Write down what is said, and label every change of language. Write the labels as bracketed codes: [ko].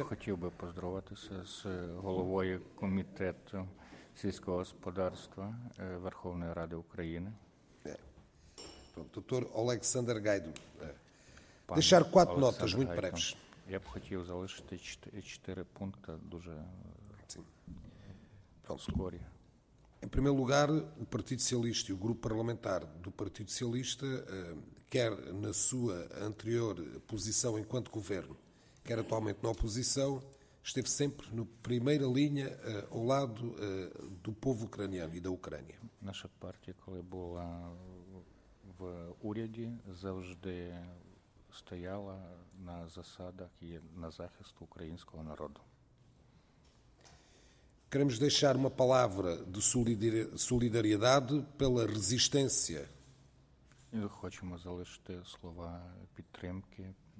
[uk] Хотів би поздоровитися з головою комітету сільського господарства Верховної Ради України. Доктор Олександр Гайду. [pt] Дешар quatro notas muito breves. [uk] Я б хотів залишити 4 пункти дуже скорі. [pt] Em primeiro lugar, o Partido Socialista e o grupo parlamentar do Partido Socialista, quer na sua anterior posição enquanto governo, quer atualmente na oposição, esteve sempre na primeira linha ao lado do povo ucraniano e da Ucrânia. [uk] Наша партія, коли була в уряді, завжди стояла на засадах і на захист українського народу. [pt] Queremos deixar uma palavra de solidariedade pela resistência. [uk] Хочемо залишити слова підтримки